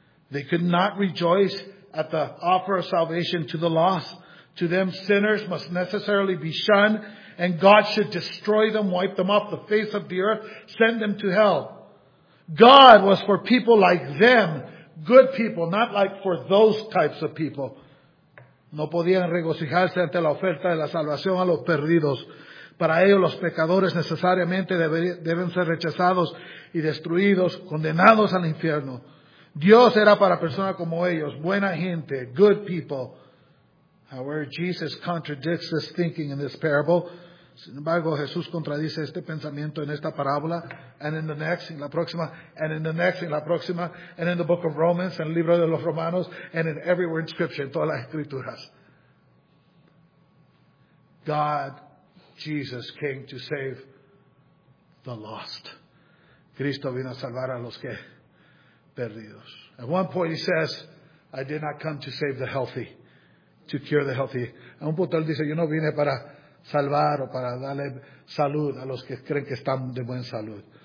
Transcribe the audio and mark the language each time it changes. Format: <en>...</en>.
<en>They could not rejoice at the offer of salvation to the lost. To them, sinners must necessarily be shunned. And God should destroy them, wipe them off the face of the earth, send them to hell. God was for people like them, good people, not like for those types of people.</en> <es>No podían regocijarse ante la oferta de la salvación a los perdidos. Para ellos los pecadores necesariamente deben ser rechazados y destruidos, condenados al infierno. Dios era para personas como ellos, buena gente,</es> <en>good people. However, Jesus contradicts this thinking in this parable.</en> <es>Sin embargo, Jesús contradice este pensamiento en esta parábola,</es> <en>and in the next,</en> <es>en la próxima, and in the next, en la próxima,</es> <en>and in the book of Romans,</en> <es>en el libro de los Romanos,</es> <en>and in everywhere in Scripture,</en> <es>en todas las Escrituras.</es> <en>God, Jesus, came to save the lost.</en> <es>Cristo vino a salvar a los que perdidos.</es> <en>At one point he says, I did not come to save the healthy, to cure the healthy.</en> <es>A un punto él dice, yo no vine para salvar o para darle salud a los que creen que están de buen salud.</es>